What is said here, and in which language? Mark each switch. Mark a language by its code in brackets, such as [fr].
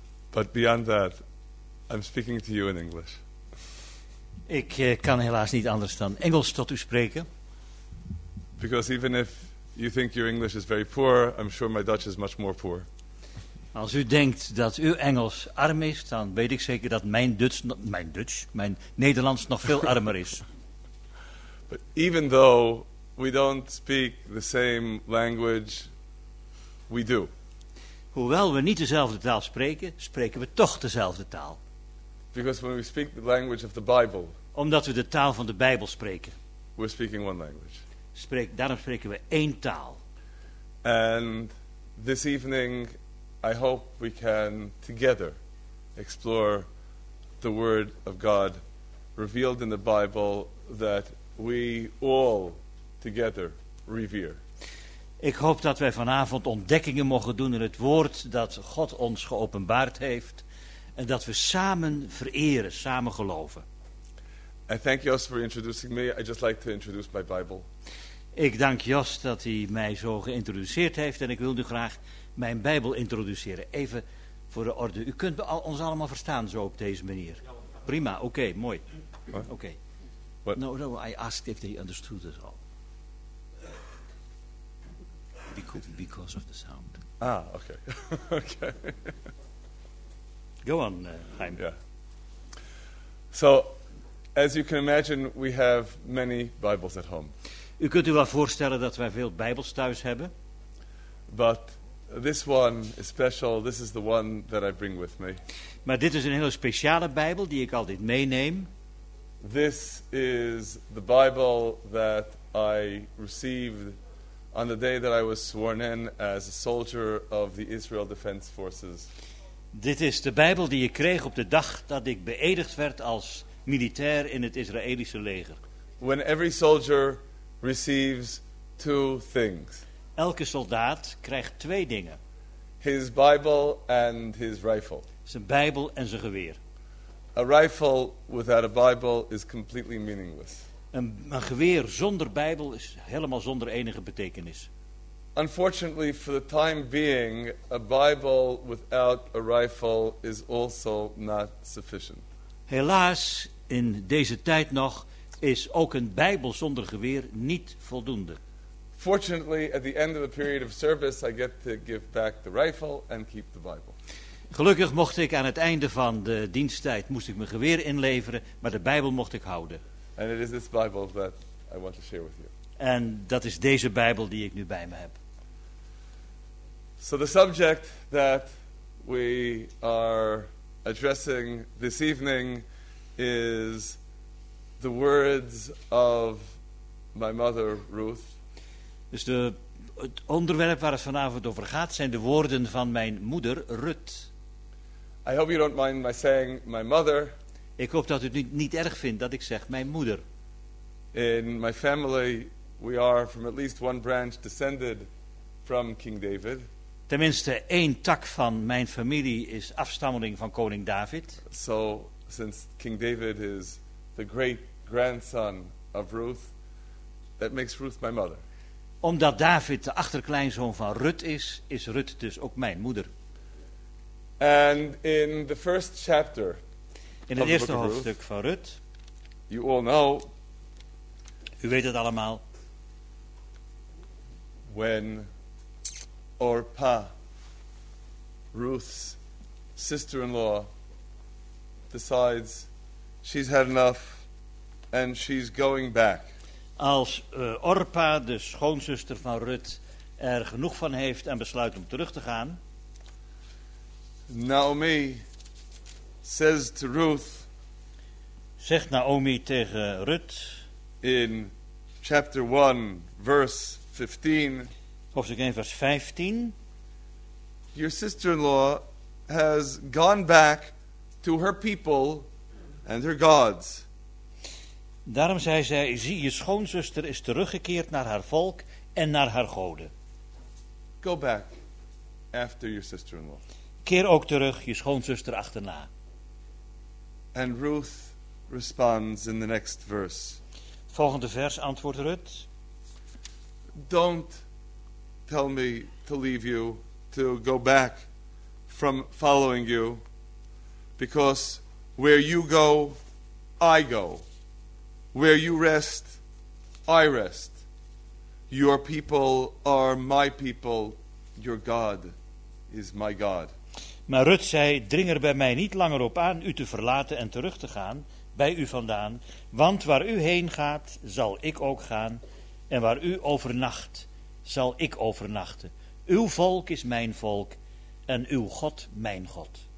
[en] But beyond that, I'm speaking to you in English. [nl] Ik kan helaas niet anders dan Engels tot u spreken. [en] Because even if you think your English is very poor, I'm sure my Dutch is much more poor. [nl] Als u denkt dat uw Engels arm is, dan weet ik zeker dat mijn Nederlands nog veel armer is. [en] But even though we don't speak the same language, we do. [nl] Hoewel we niet dezelfde taal spreken, spreken we toch dezelfde taal. [en] Because when we speak the language of the Bible, [nl] omdat we de taal van de Bijbel spreken, [en] we're speaking one language. [nl] Daarom spreken we één taal. [en] And this evening, I hope we can together explore the word of God revealed in the Bible that we all together revere. [nl] Ik hoop dat wij vanavond ontdekkingen mogen doen in het woord dat God ons geopenbaard heeft en dat we samen vereren, samen geloven. [en] And thank you also for introducing me. I just like to introduce my Bible. [nl] Ik dank Jos dat hij mij zo geïntroduceerd heeft en ik wil nu graag mijn Bijbel introduceren. Even voor de orde. U kunt ons allemaal verstaan zo op deze manier. Prima, oké, okay, mooi. Oké. Okay. [en] No, I asked if they understood it all. Because of the sound. Ah, oké. Okay. Okay. Go on, Heim. Yeah. So, As you can imagine, we have many Bibles at home. [nl] U kunt u wel voorstellen dat wij veel Bijbels thuis hebben. [en] But this one is special. This is the one that I bring with me. [nl] Maar dit is een hele speciale Bijbel die ik altijd meeneem. [en] This is the Bible that I received on the day that I was sworn in as a soldier of the Israel Defense Forces. [nl] Dit is de Bijbel die ik kreeg op de dag dat ik beëdigd werd als militair in het Israëlische leger. [en] When every soldier receives two things. [nl] Elke soldaat krijgt twee dingen. [en] His Bible and his rifle. [nl] Zijn Bijbel en zijn geweer. [en] A rifle without a Bible is completely meaningless. [nl] Een geweer zonder Bijbel is helemaal zonder enige betekenis. [en] Unfortunately, for the time being, a Bible without a rifle is also not sufficient. [nl] Helaas, in deze tijd nog, is ook een Bijbel zonder geweer niet voldoende. [en] Fortunately, at the end of a period of service, I get to give back the rifle and keep the Bible. [nl] Gelukkig mocht ik aan het einde van de diensttijd moest ik mijn geweer inleveren, maar de Bijbel mocht ik houden. [en] And it is this Bible that I want to share with you. [nl] En dat is deze Bijbel die ik nu bij me heb. [en] So the subject that we are addressing this evening is the words of my mother Ruth. [nl] Dus het onderwerp waar het vanavond over gaat zijn de woorden van mijn moeder Ruth. [en] I hope you don't mind my saying my mother. [nl] Ik hoop dat u het niet erg vindt dat ik zeg mijn moeder. [en] In my family we are from at least one branch descended from King David. [nl] Tenminste één tak van mijn familie is afstammeling van koning David. [en] So since King David is the great grandson of Ruth, that makes Ruth my mother. [nl] Omdat David de achterkleinzoon van Ruth is, is Ruth dus ook mijn moeder. [en] And in the first chapter, [nl] in het eerste hoofdstuk van Ruth, [en] you all know, [nl] u weet het allemaal, [en] when Orpah, Ruth's sister-in-law, decides she's had enough and she's going back. [nl] Als Orpah, de schoonzuster van Ruth, er genoeg van heeft en besluit om terug te gaan. [en] Naomi says to Ruth. [nl] Zegt Naomi tegen Ruth. [en] In chapter 1, verse 15. [nl] Hoofdstuk 1, vers 15. [en] Your sister-in-law has gone back to her people and her gods. [nl] Daarom zei zij, zie, je schoonzuster is teruggekeerd naar haar volk en naar haar goden. [en] Go back after your sister-in-law. [nl] Keer ook terug je schoonzuster achterna. [en] And Ruth responds in the next verse. [nl] Volgende vers antwoordt Ruth. [en] Don't tell me to leave you, to go back from following you, because where you go, I go. Where you rest, I rest. Your people are my people, your God is my God. [nl] Maar Ruth zei, dring er bij mij niet langer op aan u te verlaten en terug te gaan bij u vandaan. Want waar u heen gaat, zal ik ook gaan. En waar u overnacht, zal ik overnachten. Uw volk is mijn volk en uw God mijn God.